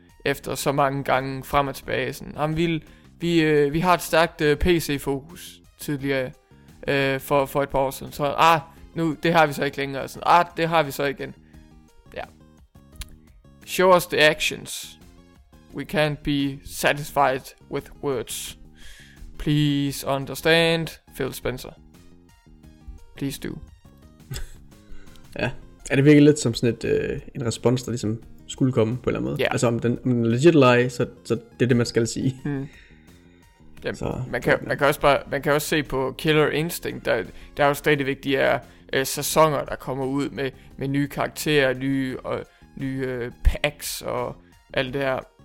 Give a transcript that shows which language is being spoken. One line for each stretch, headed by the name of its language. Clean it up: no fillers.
Danish: Efter så mange gange frem og tilbage sådan, jamen vi har et stærkt PC-fokus tidligere for et par år siden. Så nu det har vi så ikke længere sådan, det har vi så igen.
English: Ja. Show us the actions. We can't be satisfied with words. Please understand, Phil Spencer. Please do.
Danish: Ja, er det virkelig lidt som sådan en respons, der ligesom skulle komme på en eller anden måde. Yeah. Altså om den legit lie, så det er det man skal sige. Hmm. Jamen, man kan også se på Killer Instinct, der er jo stadigvæk de her sæsoner der kommer ud med nye karakterer, nye packs og alt det her.